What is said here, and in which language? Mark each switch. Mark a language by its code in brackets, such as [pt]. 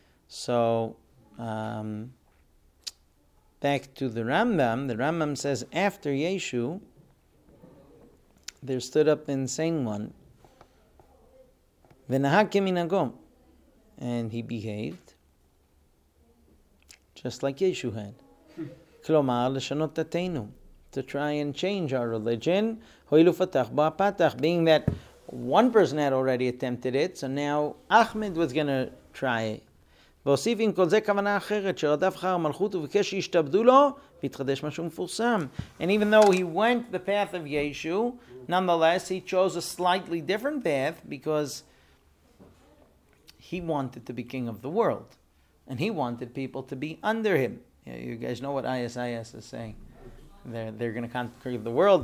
[en] So back to the Rambam says, after Yeshu, there stood up the insane one, [he] v'nahag k'minagom, [en] and he behaved just like Yeshu had. [he] Klomar l'shanot tateinu, [en] to try and change our religion, [he] hoilu fatach bo apatach, [en] being that one person had already attempted it, so now Ahmed was going to try it. [he] והוסיף עם כל זה כוונה אחרת שרדף אחר המלכות וביקש שישתבדו לו והתחדש משהו מפורסם. [en] And even though he went the path of Yeshu, nonetheless he chose a slightly different path because he wanted to be king of the world and he wanted people to be under him. You guys know what ISIS is saying. They're going to conquer the world.